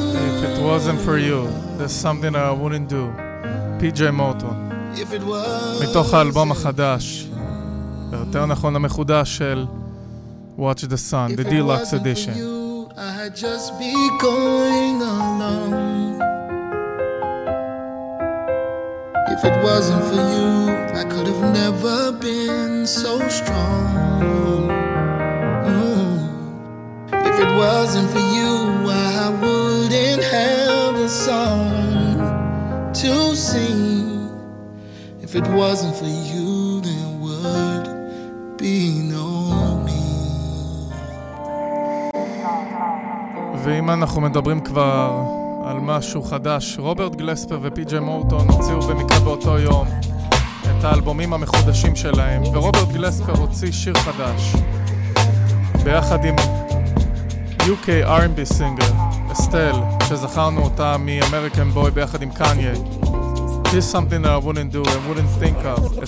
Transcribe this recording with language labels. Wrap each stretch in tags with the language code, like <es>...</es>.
<en>if it wasn't for you, there's something I wouldn't do. PJ Morton, if it was</en> <he>מתוך האלבום החדש, יותר נכון המחודש של Watch the Sun, the Deluxe Edition.</he> <en>If it wasn't for you, I'd just be going along. If it wasn't for you, I could have never been so strong. If it wasn't for you, I wouldn't have a song to sing. If it wasn't for you, there would be no me.</en> <he>ואם אנחנו מדברים כבר על משהו חדש, רוברט גלספר ופי-ג'י מורטון הוציאו במקרה באותו יום את האלבומים המחודשים שלהם, ורוברט גלספר הוציא שיר חדש ביחד עם</he> <en>UK R&B singer</en> <he>אסטל, שזכרנו אותה מ-American Boy ביחד עם קניה.</he> <en>This is something that I wouldn't do and wouldn't think of.</en>